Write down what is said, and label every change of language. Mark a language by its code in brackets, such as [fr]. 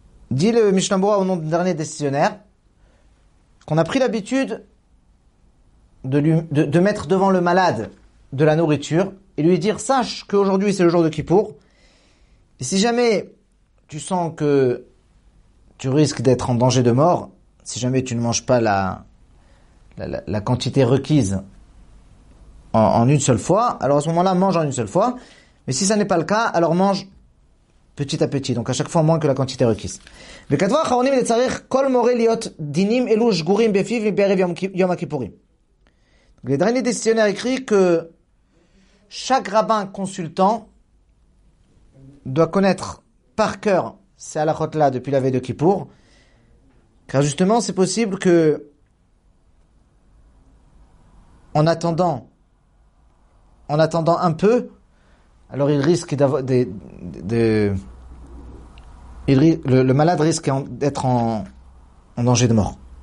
[fr] Dit le Mishnah Berurah au nom du dernier décisionnaire, qu'on a pris l'habitude de mettre devant le malade de la nourriture et lui dire sache qu'aujourd'hui c'est le jour de Kippour et si jamais tu sens que tu risques d'être en danger de mort si jamais tu ne manges pas la quantité requise en une seule fois, alors à ce moment là mange en une seule fois, mais si ça n'est pas le cas, alors mange petit à petit, donc à chaque fois moins que la quantité requise. [he] וכתבו האחרונים לצריך כל מורה להיות דינים אלו שגורים בפיו בערב יום הכיפורים. [fr] Le dernier décisionnaire écrit que chaque rabbin consultant doit connaître par cœur ces halakhot-là depuis la veille de Kippour, car justement c'est possible que en attendant un peu, alors il risque d'avoir le malade risque d'être en danger de mort.